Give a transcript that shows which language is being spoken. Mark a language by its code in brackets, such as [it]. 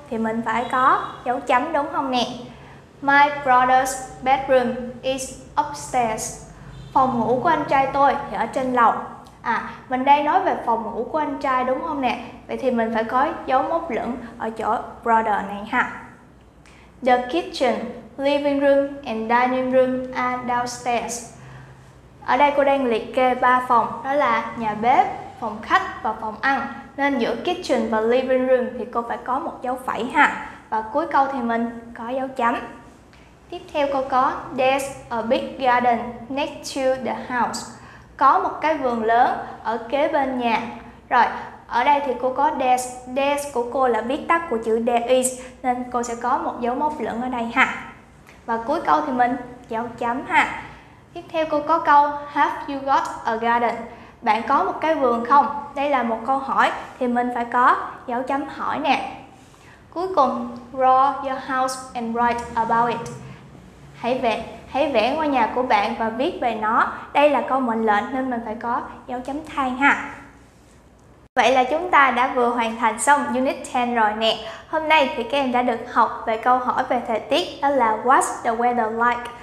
[vi] thì mình phải có dấu chấm đúng không nè? [en] My brother's bedroom is upstairs. [vi] Phòng ngủ của anh trai tôi thì ở trên lầu. À, mình đang nói về phòng ngủ của anh trai đúng không nè? Vậy thì mình phải có dấu móc lửng ở chỗ brother này ha. [en] The kitchen, living room and dining room are downstairs. [vi] Ở đây cô đang liệt kê 3 phòng, đó là nhà bếp, phòng khách và phòng ăn. Nên giữa kitchen và living room thì cô phải có một dấu phẩy ha. Và cuối câu thì mình có dấu chấm. Tiếp theo cô có [en] there's a big garden next to the house. [vi] Có một cái vườn lớn ở kế bên nhà. Rồi, ở đây thì cô có there's. There's của cô là viết tắt của chữ there is. Nên cô sẽ có một dấu móc lửng ở đây ha. Và cuối câu thì mình dấu chấm ha. Tiếp theo cô có câu [en] have you got a garden? [vi] Bạn có một cái vườn không? Đây là một câu hỏi thì mình phải có dấu chấm hỏi nè. [en] Cuối cùng, draw your house and write about it. [vi] Hãy vẽ ngôi nhà của bạn và viết về nó. Đây là câu mệnh lệnh nên mình phải có dấu chấm than ha. Vậy là chúng ta đã vừa hoàn thành xong Unit 10 rồi nè. Hôm nay thì các em đã được học về câu hỏi về thời tiết, đó là [en] what's the weather like?